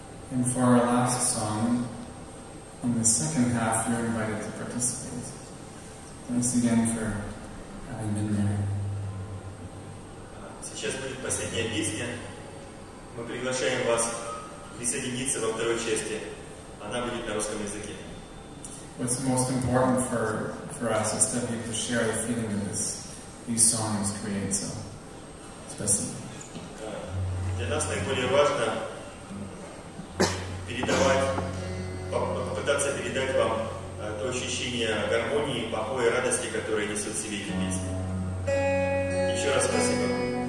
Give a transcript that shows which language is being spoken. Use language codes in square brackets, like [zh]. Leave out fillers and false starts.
[en] And for our last song, in the second half, you're invited to participate. Thanks again for having been there. [ru] Сейчас будет последняя песня. Мы приглашаем вас присоединиться во второй части. Она будет на русском языке. [en] What's most important for us is to be able to share the feeling that these songs create. So, [ru] спасибо. для нас наиболее важно попытаться передать вам то ощущение гармонии, покоя, радости, которые несут в себе эти песни. Еще раз спасибо.